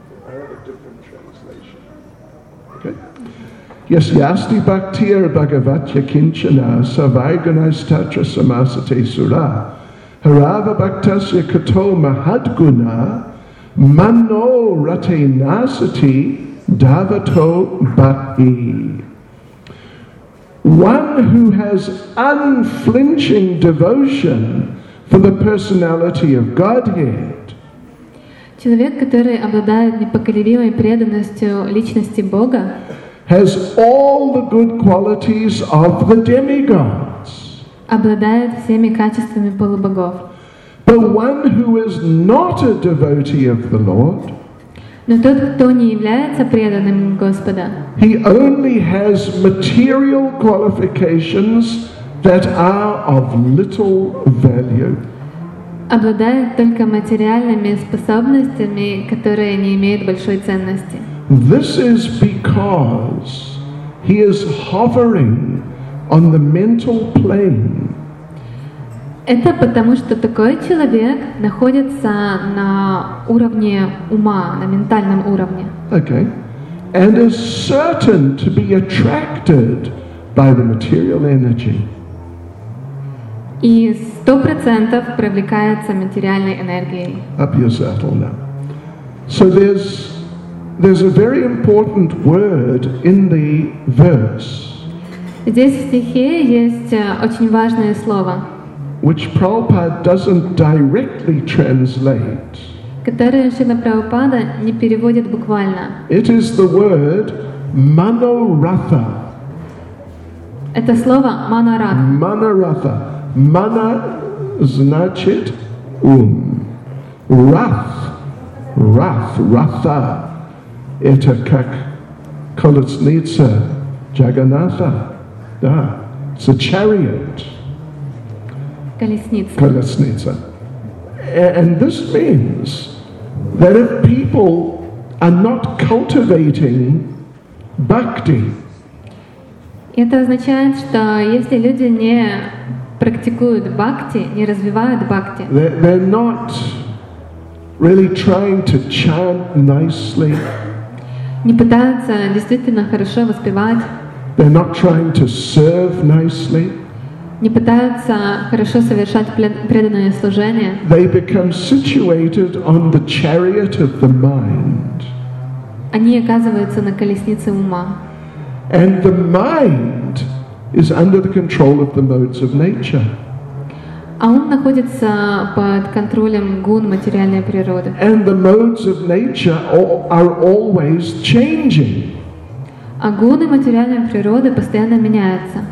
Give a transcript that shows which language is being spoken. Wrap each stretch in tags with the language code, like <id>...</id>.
<en>I have a different translation. Okay.</en> <sa>Yasyasti bhaktir bhagavatya kinchana savaiganastatra samasate sura harava bhaktasya kato mahadguna mano rate nasati davato bhakti.</sa> <en>One who has unflinching devotion for the personality of Godhead.</en> <ru>Человек, который обладает непоколебимой преданностью личности Бога,</ru> <en>has all the good qualities of the demigods.</en> <ru>Обладает всеми качествами полубогов.</ru> <en>But one who is not a devotee of the Lord,</en> <ru>но тот, кто не является преданным Господа,</ru> <en>he only has material qualifications that are of little value.</en> <ru>Обладает только материальными способностями, которые не имеют большой ценности.</ru> <en>This is because he is hovering on the mental plane.</en> <ru>Это потому, что такой человек находится на уровне ума, на ментальном уровне.</ru> <en>Okay. And is certain to be attracted by the material energy.</en> <ru>И 100% привлекается материальной энергией.</ru> <en>Up your saddle now. So there's a very important word in the verse.</en> <ru>Здесь в стихе есть очень важное слово,</ru> <en>which Prabhupada doesn't directly translate.</en> <ru>Которое Шрила Прабхупада не переводит буквально.</ru> <en>It is the word manoratha.</en> <ru>Это слово манаратха. Манаратха. Mana значит ум. Рах, рах, ратха. Это как колесница Джаганнатха.</ru> <en>Да, it's a chariot.</en> <ru>Колесница. Колесница.</ru> <en>And this means that if people are not cultivating bhakti,</en> <ru>это означает, что если люди не практикуют бхакти, не развивают бхакти,</ru> <en>they're not really trying to chant nicely.</en> <ru>Не пытаются действительно хорошо воспевать.</ru> <en>They're not trying to serve nicely.</en> <ru>Не пытаются хорошо совершать преданное служение.</ru> <en>They become situated on the chariot of the mind.</en> <ru>Они оказываются на колеснице ума.</ru> <en>And the mind is under the control of the modes of nature.</en> <ru>А ум находится под контролем гун материальной природы.</ru> <en>And the modes of nature are always changing.</en> <ru>А гуны материальной природы постоянно меняются.</ru>